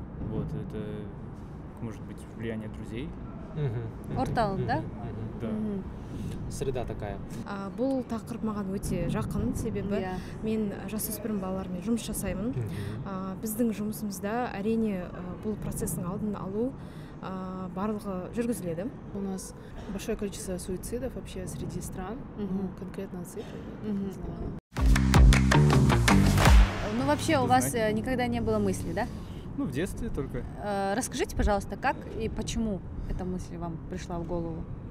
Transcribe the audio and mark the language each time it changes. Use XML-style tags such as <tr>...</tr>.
<ru>Вот, это может быть влияние друзей. Ортал, да? Да. Среда такая.</ru> <kk>Бұл тақырып маған өте жақын, себебі мен жасөспірім балалармен жұмыс жасаймын. Біздің жұмысымызда әрине бұл процестің алдын алу барлығы жүргізіледі.</kk> <ru>У нас большое количество суицидов вообще среди стран, конкретно цифры. Ну, вообще, у вас никогда не было мысли, да? Ну, в детстве только. Расскажите, пожалуйста, как и почему эта мысль вам пришла в голову?</ru>